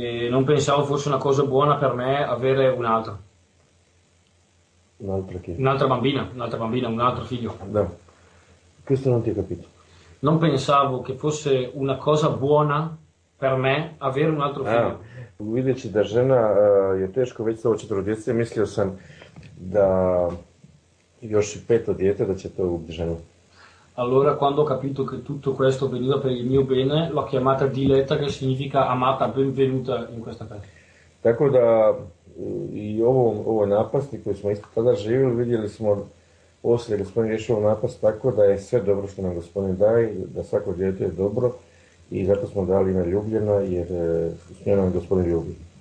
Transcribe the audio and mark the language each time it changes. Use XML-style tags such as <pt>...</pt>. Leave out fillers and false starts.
<it>Non pensavo fosse una cosa buona per me avere un'altra. Un'altra che? Un'altra bambina, un altro figlio.</it> <hr>Da.</hr> <it>Questo non ti ho capito. Non pensavo che fosse una cosa buona per me avere un altro figlio.</it> <hr>Vidjeći da žena je teško već sa ovo četvoro djece, mislio sam da još peto dijete da će to ubiti ženu.</hr> <it>Allora, quando ho capito che tutto questo veniva per il mio bene, l'ho chiamata Diletta, che significa amata, benvenuta in questa casa.</it> <hr>Tako da i ovo napasti koji smo isto tada živjeli, vidjeli smo poslije gospodin rješio napast tako da je sve dobro što nam gospodin daje, da svako dijete je dobro i zato smo dali ime Ljubljena jer s njom nam gospodin ljubi.</hr>